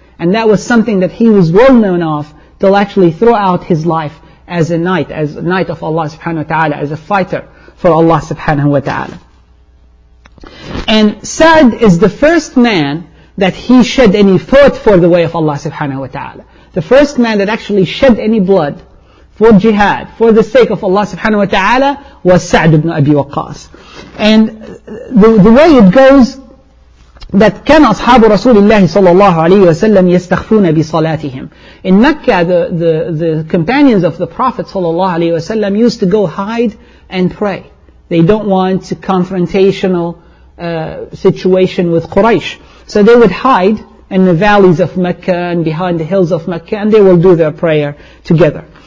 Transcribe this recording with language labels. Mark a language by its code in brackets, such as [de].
[en] And that was something that he was well known of, to actually throw out his life as a knight of Allah subhanahu wa ta'ala, as a fighter for Allah subhanahu wa ta'ala. And Sa'd is the first man that he shed any thought for the way of Allah subhanahu wa ta'ala. The first man that actually shed any blood for jihad, for the sake of Allah subhanahu wa ta'ala, was Sa'd ibn Abi Waqqas. And the way it goes, that [ar] كان أصحاب رسول الله صلى الله عليه وسلم يستخفون بصلاتهم. [en] In Mecca, the companions of the Prophet صلى الله عليه وسلم used to go hide and pray. They don't want a confrontational situation with Quraysh. So they would hide in the valleys of Mecca and behind the hills of Mecca, and they will do their prayer together.